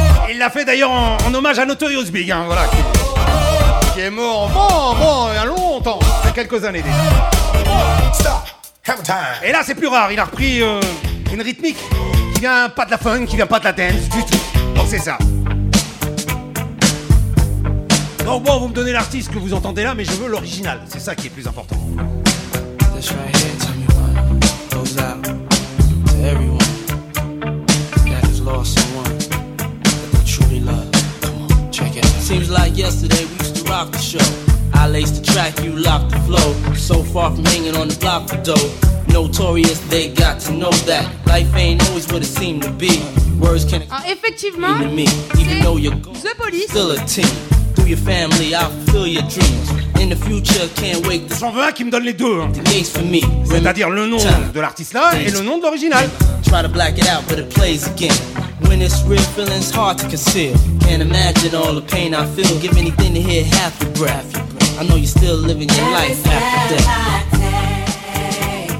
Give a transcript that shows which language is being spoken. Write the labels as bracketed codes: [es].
[fr] Il l'a fait d'ailleurs en hommage à Notorious Big hein, voilà, qui est mort bon, il y a longtemps, c'est quelques années déjà. Et là c'est plus rare, il a repris une rythmique qui vient pas de la funk, qui vient pas de la dance du tout. Donc c'est ça. Donc bon, vous me donnez l'artiste que vous entendez là, mais je veux l'original, c'est ça qui est plus important. [en] This right here, tell me why, goes out to everyone that has lost someone that they truly love. Come on, check it out. Seems like yesterday we used to rock the show. I laced the track, you locked the flow. So far from hanging on the block for dough. Notorious, they got to know that life ain't always what it seemed to be. Words can't [fr] effectivement, [en] even me, even though you're gone, still a team. Through your family, I'll fulfill your dreams. In the future, can't wait. [fr] J'en veux un qui me donne les deux. C'est-à-dire le nom de l'artiste là et le nom de l'original. [en] Try to black it out, but it plays again. When it's real, feeling's hard to conceal. Can't imagine all the pain I feel. Give anything to hear half your breath. I know you're still living your life after death.